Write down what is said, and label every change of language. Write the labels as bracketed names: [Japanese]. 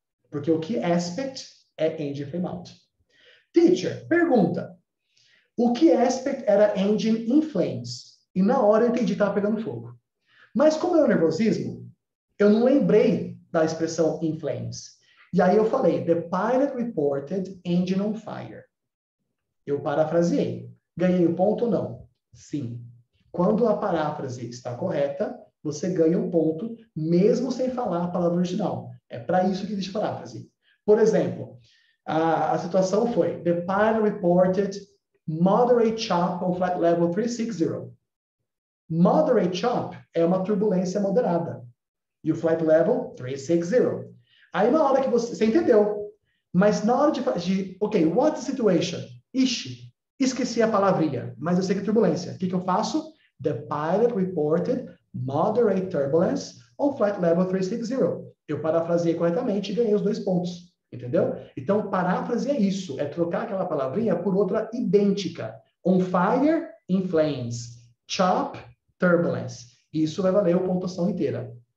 [Portuguese] Porque o key aspect é engine flame out. Teacher, pergunta. O key aspect era engine in flames. E na hora eu entendi que estava pegando fogo. Mas como é o nervosismo, eu não lembrei da expressão in flames. E aí eu falei: [English] the pilot reported engine on fire. [Portuguese] Eu parafraseei. Ganhei o ponto ou não? Sim. Quando a paráfrase está correta, você ganha um ponto, mesmo sem falar a palavra original. É para isso que existe paráfrase. Por exemplo, a situação foi: [English] the pilot reported moderate chop on flight level 360. [Portuguese] Moderate chop é uma turbulência moderada. E o flight level, 360. Aí, na hora que você entendeu. Mas na hora de ok, [English] what's the situation? [Portuguese] Ixi, esqueci a palavrinha, mas eu sei que é turbulência. O que que eu faço? [English] The pilot reported moderate turbulence on flight level 360. [Portuguese] Eu parafraseei corretamente e ganhei os 2 pontos. Entendeu? Então, paráfrase é isso. É trocar aquela palavrinha por outra idêntica. On fire, in flames. Chop, turbulence. Isso vai valer a pontuação inteira.